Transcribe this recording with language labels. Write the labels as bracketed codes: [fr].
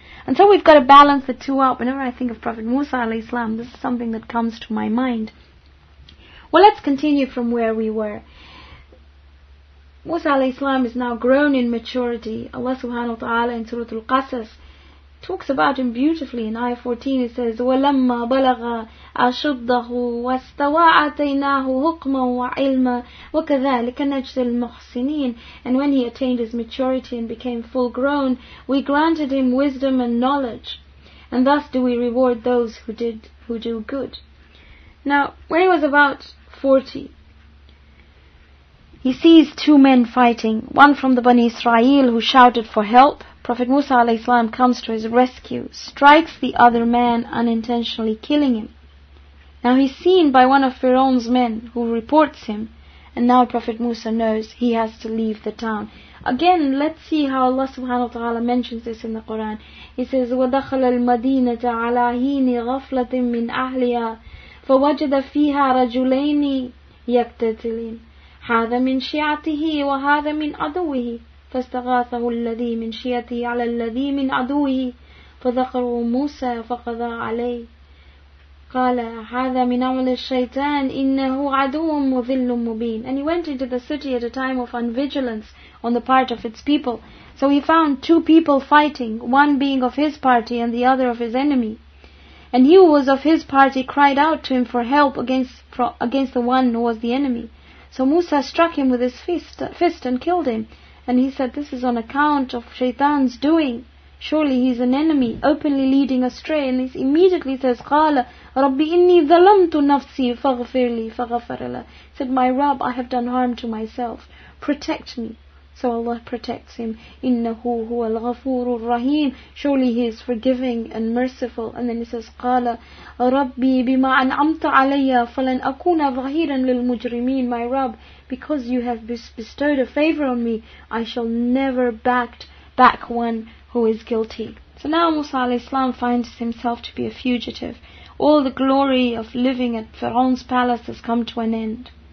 [en] And so we've got to balance the two up. Whenever I think of Prophet Musa alayhi salam, this is something that comes to my mind. Well, let's continue from where we were. Musa alayhi salam is now grown in maturity. Allah subhanahu wa ta'ala in Surah Al-Qasas talks about him beautifully. In Ayah 14 it says, [ar] وَلَمَّا بَلَغَ أَشُدَّهُ وَاسْتَوَى عَتَيْنَاهُ حُكْمًا وَعِلْمًا وَكَذَلِكَ نَجْزِ الْمُحْسِنِينَ. [en] And when he attained his maturity and became full grown, we granted him wisdom and knowledge. And thus do we reward those who do good. Now, when he was about 40, he sees two men fighting, one from the Bani Israel who shouted for help. Prophet Musa alayhi salam comes to his rescue, strikes the other man, unintentionally killing him. Now he's seen by one of Pharaoh's men who reports him, and now Prophet Musa knows he has to leave the town. Again, let's see how Allah subhanahu wa ta'ala mentions this in the Quran. He says, [ar] وَدَخَلَ الْمَدِينَةَ عَلَىٰ هِينِ غَفْلَةٍ مِّنْ أَهْلِهَا فَوَجَدَ فِيهَا رَجُلَيْنِ يَقْتَتِلِينَ هذا من شيعته وهذا من عدوه فاستغاثه الذي من شيعته على الذي من عدوه فذكروا موسى فقضى عليه قال هذا من عمل الشيطان إنه عدو مضل مبين. [en] And he went into the city at a time of unvigilance on the part of its people. So he found two people fighting, one being of his party and the other of his enemy. And he who was of his party cried out to him for help against the one who was the enemy. So Musa struck him with his fist and killed him. And he said, this is on account of Shaitan's doing. Surely he's an enemy, openly leading astray. And he immediately says, [ar] قَالَ رَبِّ إِنِّي ظَلَمْتُ نَفْسِي فَغْفِرْ لِي فَغَفَرَ لَهُ. [en] He said, my Rabb, I have done harm to myself. Protect me. So Allah protects him. [ar] إِنَّهُ هُوَ الْغَفُورُ الرَّحِيمُ. [en] Surely he is forgiving and merciful. And then he says, [ar] قَالَ رَبِّي بِمَا أَنْعَمْتَ عَلَيَّ فَلَنْ أَكُونَ ظَهِيرًا لِلْمُجْرِمِينَ. [en] My Rabb, because you have bestowed a favor on me, I shall never back one who is guilty. So now Musa alayhi salam finds himself to be a fugitive. All the glory of living at Pharaoh's palace has come to an end.